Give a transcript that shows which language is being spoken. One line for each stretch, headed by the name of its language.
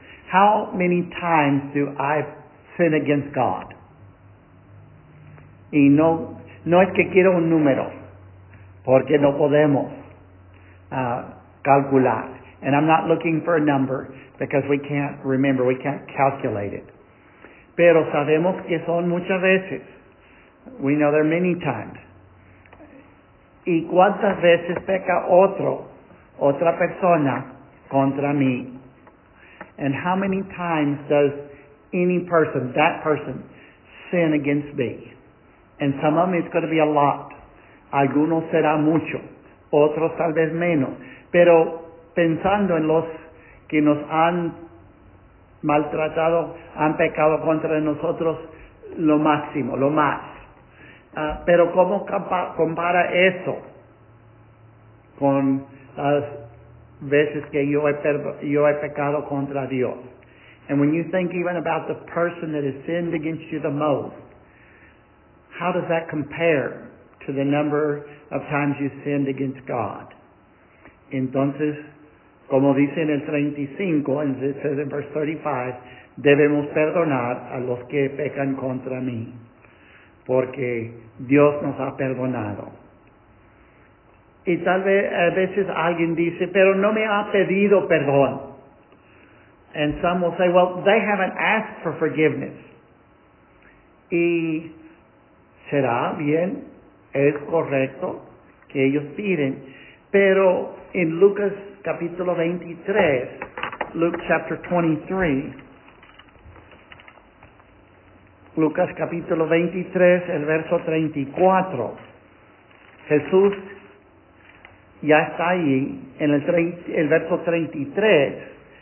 English: How many times do I sin against God?
Spanish: Y no es que quiero un número, porque no podemos calcular.
English: And I'm not looking for a number, because we can't remember, we can't calculate it.
Spanish: Pero sabemos que son muchas veces.
English: We know there are many times.
Spanish: ¿Y cuántas veces peca otra persona contra mí?
English: And how many times does any person, that person, sin against me? And some of them it's going to be a lot.
Spanish: Algunos será mucho. Otros tal vez menos. Pero pensando en los que nos han maltratado, han pecado contra nosotros, lo máximo, lo más. Pero ¿cómo compara eso con las veces que yo he pecado contra Dios?
English: And when you think even about the person that has sinned against you the most, how does that compare to the number of times you sinned against God?
Spanish: Entonces, como dice en el 35,
English: it says in verse 35,
Spanish: debemos perdonar a los que pecan contra mí, porque Dios nos ha perdonado. Y tal vez a veces alguien dice, pero no me ha pedido perdón.
English: And some will say, well, they haven't asked for forgiveness.
Spanish: Y será bien, es correcto que ellos piden. Pero en Lucas capítulo 23,
English: Luke chapter 23,
Spanish: Lucas capítulo 23, el verso 34, Jesús ya está ahí en el verso 33.